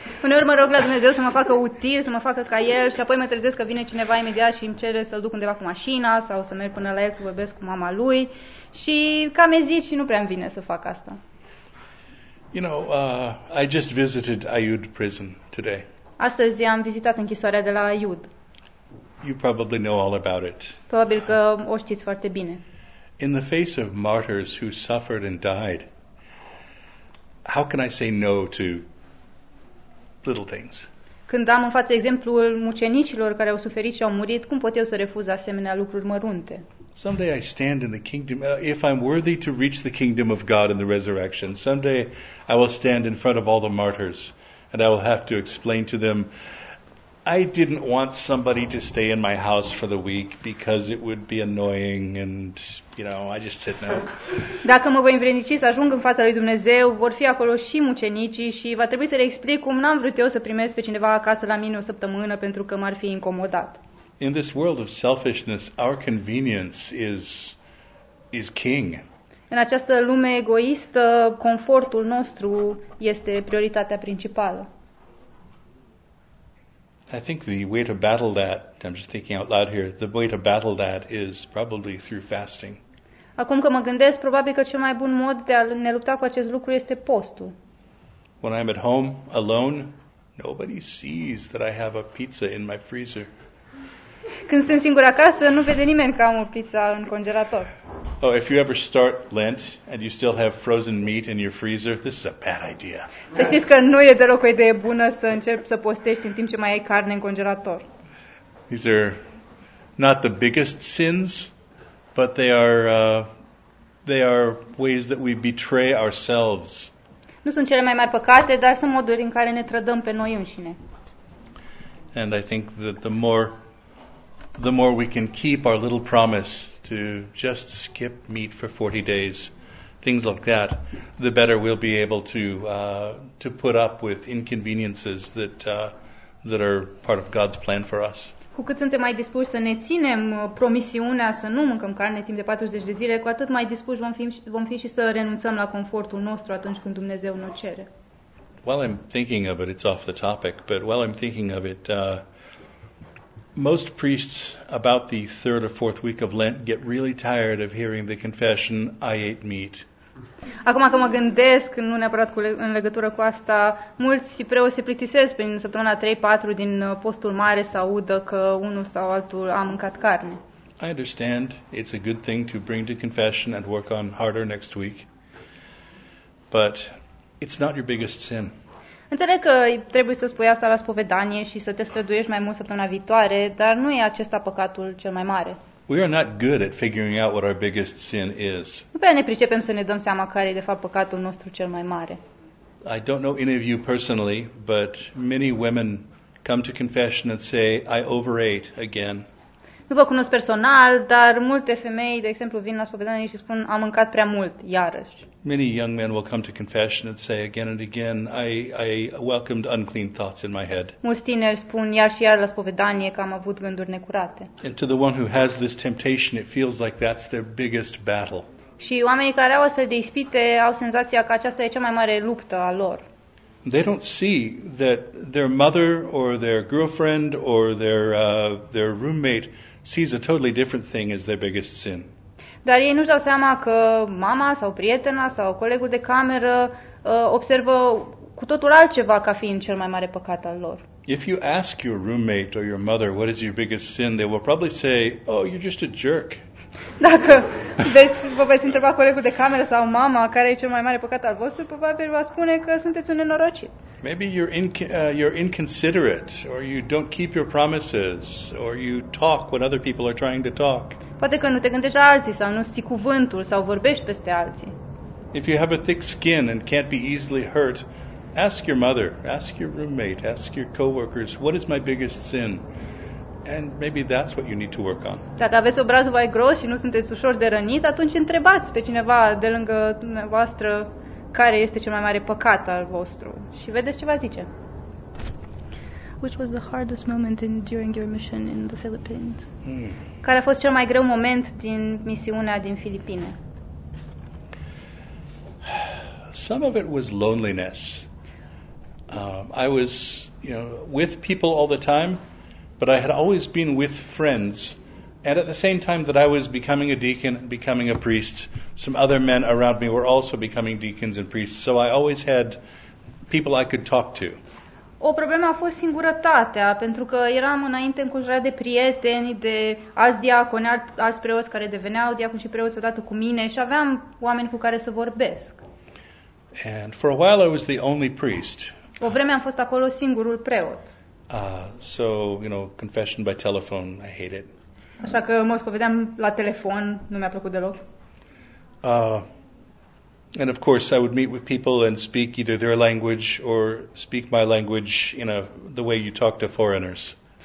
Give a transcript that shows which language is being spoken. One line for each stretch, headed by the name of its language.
Romanian: Uneori mă rog la Dumnezeu să mă facă util, să mă facă ca el și apoi mă trezesc că vine cineva imediat și îmi cere să-l duc undeva cu mașina sau să merg până la el să vorbesc cu mama lui și cam ezit și nu prea-mi vine să fac asta.
English: You know, I just visited Aiud prison today.
Romanian: Astăzi am vizitat închisoarea de la Aiud.
English: You probably know all about it.
Romanian: Probabil că o știți foarte bine.
English: In the face of martyrs who suffered and died, how can I say no to little things?
Romanian: Când am în față exemplul mucenicilor care au suferit și au murit, cum pot eu să refuz asemenea lucruri mărunte?
English: Someday I stand in the kingdom, if I'm worthy to reach the kingdom of God in the resurrection, someday I will stand in front of all the martyrs and I will have to explain to them, I didn't want somebody to stay in my house for the week because it would be annoying and, I just said no.
Romanian: Dacă mă voi învrednici să ajung în fața lui Dumnezeu, vor fi acolo și mucenicii și va trebui să le explic cum n-am vrut eu să primesc pe cineva acasă la mine o săptămână pentru că m-ar fi incomodat.
English: In this world of selfishness, our convenience is king.
Romanian: În această lume egoistă, confortul nostru este prioritatea principală.
English: I think the way to battle that, I'm just thinking out loud here, the way to battle that is probably through fasting.
Romanian: Acum că mă gândesc, probabil că cel mai bun mod de a ne lupta cu acest lucru este postul.
English: When I'm at home, alone, nobody sees that I have a pizza in my freezer.
Romanian: Când sunt singur acasă, nu vede nimeni că am o pizza în congelator.
English: Oh, if you ever start Lent and you still have frozen meat in your freezer, this is a bad idea.
Romanian: Să știți că nu e deloc o idee bună să încerci să postești în timp ce mai ai carne în congelator.
English: These are not the biggest sins, but they are ways that we betray ourselves.
Romanian: Nu sunt cele mai mari păcate, dar sunt moduri în care ne trădăm pe noi înșine.
English: And I think that the more we can keep our little promise to just skip meat for 40 days, things like that, the better we'll be able to put up with inconveniences that are part of God's plan for us.
Romanian: Cu cât suntem mai dispuși să ne ținem promisiunea să nu mâncăm carne timp de 40 de zile, cu atât mai dispuși vom fi și să renunțăm la confortul nostru atunci când Dumnezeu ne cere.
English: While I'm thinking of it, it's off the topic, but while I'm thinking of it, most priests about the third or fourth week of Lent get really tired of hearing the confession, I ate meat.
Romanian: Acum că mă gândesc, nu neapărat în legătură cu asta, mulți preoți se plictisesc prin săptămâna 3-4 din postul mare să audă că unul sau altul a mâncat carne.
English: I understand it's a good thing to bring to confession and work on harder next week, but it's not your biggest sin.
Romanian: Înțeleg că trebuie să spui asta la spovedanie și să te străduiești mai mult săptămâna viitoare, dar nu e acesta păcatul cel mai mare.
English: We are not good at figuring out what our biggest sin is.
Romanian: Nu prea ne pricepem să ne dăm seama care e de fapt păcatul nostru cel mai mare.
English: I don't know any of you personally, but many women come to confession and say, I overate again.
Romanian: Nu vă cunosc personal, dar multe femei, de exemplu, vin la spovedanie și spun, am mâncat prea mult, iarăși.
English: Many young men will come to confession and say again and again, I welcomed unclean thoughts in my head.
Romanian: Mulți tineri spun iar și iar la spovedanie că am avut gânduri necurate.
English: And to the one who has this temptation, it feels like that's their biggest battle.
Romanian: Și oamenii care au astfel de ispite au senzația că aceasta e cea mai mare luptă a lor.
English: They don't see that their mother or their girlfriend or their roommate sees a totally different thing as their biggest sin.
Romanian: Dar ei nu-și dau seama că mama sau prietena sau colegul de cameră observă cu totul altceva ca fiind cel mai mare păcat al lor.
English: If you ask your roommate or your mother what is your biggest sin, they will probably say, oh, you're just a jerk.
Romanian: Dacă vă veți întreba colegul de cameră sau mama care e cel mai mare păcat al vostru, probabil va spune că sunteți un nenorocit.
English: Maybe you're inconsiderate or you don't keep your promises or you talk when other people are trying to talk.
Romanian: Poate că nu te gândești la alții sau nu ții cuvântul sau vorbești peste alții.
English: If you have a thick skin and can't be easily hurt, ask your mother, ask your roommate, ask your coworkers, what is my biggest sin? And maybe that's what you need to work on.
Romanian: Dacă aveți obrazul mai gros și nu sunteți ușor de rănit, atunci întrebați pe cineva de lângă dumneavoastră care este cel mai mare păcat al vostru și vedeți ce va zice.
English: Which was the hardest moment in during your mission in the Philippines?
Romanian: Care a fost cel mai greu moment din misiunea din Filipine?
English: Some of it was loneliness. I was, you know, with people all the time, but I had always been with friends. And at the same time that I was becoming a deacon, becoming a priest, some other men around me were also becoming deacons and priests. So I always had people I could talk to.
Romanian: O problemă a fost singurătatea, pentru că eram înainte înconjurat de prieteni, de alți diaconi, alți preoți care deveneau diaconi și preoți odată cu mine și aveam oameni cu care să vorbesc.
English: And for a while I was the only priest.
Romanian: O vreme am fost acolo singurul preot.
English: So, you know, confession by telephone, I hate it.
Romanian: Așa că mă spovedeam la telefon, nu mi-a plăcut deloc.
English: And of course I would meet with people and speak either their language or speak my language in the way you talk to foreigners.